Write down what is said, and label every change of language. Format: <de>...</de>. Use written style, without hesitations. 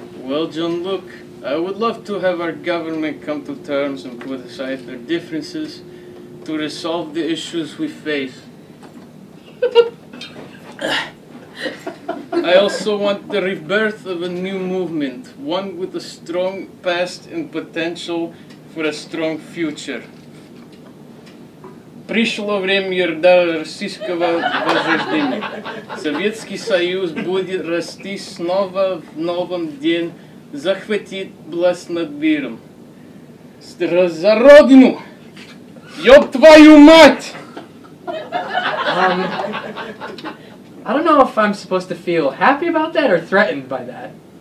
<en>Well, Johnluke, I would love to have our government come to terms and put aside their differences to resolve the issues we face. I also want the rebirth of a new movement, one with a strong past and potential for a strong future.</en> <ru>Пришло время российского возрождения. Советский Союз будет расти снова в новом день, захватит власть над миром. За родину! Ёб твою мать!</ru> <en>I don't know if I'm supposed to feel happy about that or threatened by that.</en>